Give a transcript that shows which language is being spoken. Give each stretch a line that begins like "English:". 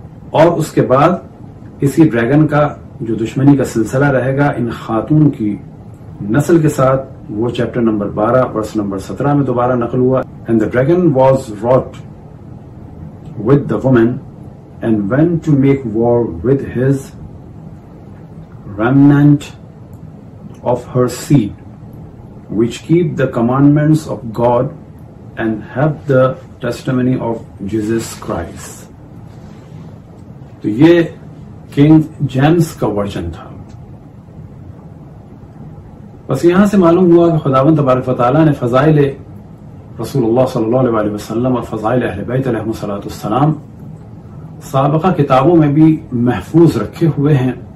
Urdu: اور اس کے بعد اسی ڈریگن کا جو دشمنی کا سلسلہ رہے گا ان خاتون کی نسل کے ساتھ وہ چیپٹر نمبر 12 ورس نمبر 17 میں دوبارہ نقل ہوا.
English: And the dragon was wroth with the woman and went to make war with his remnant of her seed which keep the commandments of God and have the testimony of Jesus Christ.
Urdu: تو یہ king James کا version تھا. بس یہاں سے معلوم ہوا کہ خداوند تبارک و تعالیٰ نے فضائل رسول اللہ صلی اللہ علیہ وسلم اور فضائل اہل بیت علیہ السلام سابقہ کتابوں میں بھی محفوظ رکھے ہوئے ہیں.